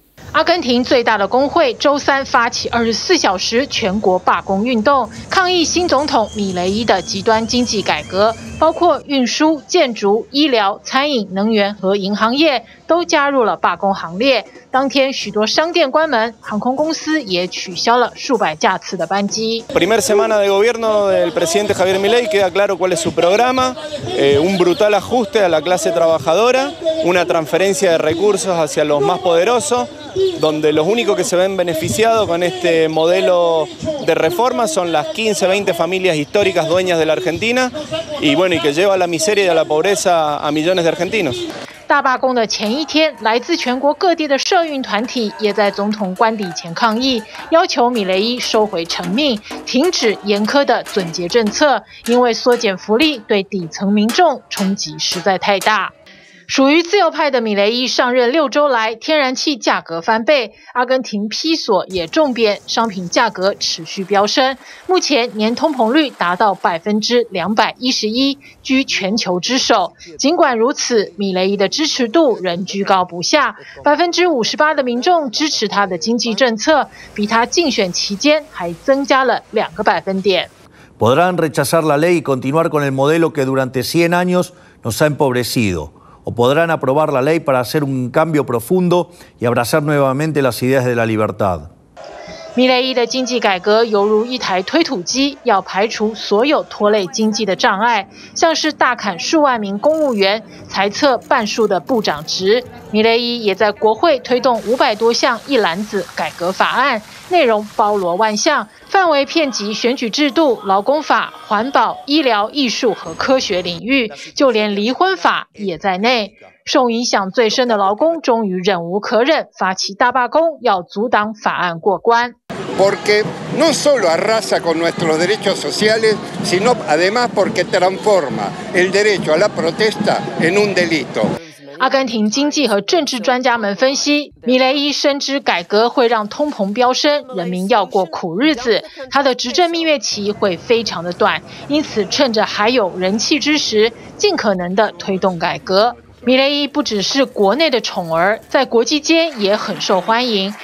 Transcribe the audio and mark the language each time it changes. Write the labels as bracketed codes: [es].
[zh] 阿根廷最大的工会周三发起24小时全国罢工运动，抗议新总统米雷伊的极端经济改革，包括运输、建筑、医疗、餐饮、能源和银行业都加入了罢工行列。当天，许多商店关门，航空公司也取消了数百架次的班机。 [es] Primer semana de gobierno del presidente Javier Milei queda claro cuál es su programa: un brutal ajuste a la clase trabajadora, una transferencia de recursos hacia los más poderosos, donde los únicos que se ven beneficiados con este modelo de reforma son las 15-20 familias históricas dueñas de la Argentina y bueno y que lleva la miseria y la pobreza a millones de argentinos. [zh] 大罢工的前一天，来自全国各地的社运团体也在总统官邸前抗议，要求米雷伊收回成命，停止严苛的总结政策，因为缩减福利对底层民众冲击实在太大。属于自由派的米雷伊上任六周来，天然气价格翻倍，阿根廷披索也重贬，商品价格持续飙升，目前年通膨率达到 211%， 居全球之首。尽管如此，米雷伊的支持度仍居高不下， 58% 的民众支持他的经济政策，比他竞选期间还增加了2%。 [es] Podrán rechazar la ley y continuar con el modelo que durante 100 años nos ha empobrecido, o podrán aprobar la ley para hacer un cambio profundo y abrazar nuevamente las ideas de la libertad. [zh] 米雷伊的经济改革犹如一台推土机，要排除所有拖累经济的障碍，像是大砍数万名公务员、裁撤半数的部长职。米雷伊也在国会推动500多项一篮子改革法案，内容包罗万象，范围遍及选举制度、劳工法、环保、医疗、艺术和科学领域，就连离婚法也在内。受影响最深的劳工终于忍无可忍，发起大罢工，要阻挡法案过关。 [es] Porque no solo arrasa con nuestros derechos sociales, sino además porque transforma el derecho a la protesta en un delito。 [zh] 阿根廷经济和政治专家们分析，米雷伊深知改革会让通膨飙升，人民要过苦日子，他的执政蜜月期会非常的短，因此趁着还有人气之时，尽可能的推动改革。米雷伊不只是国内的宠儿，在国际间也很受欢迎。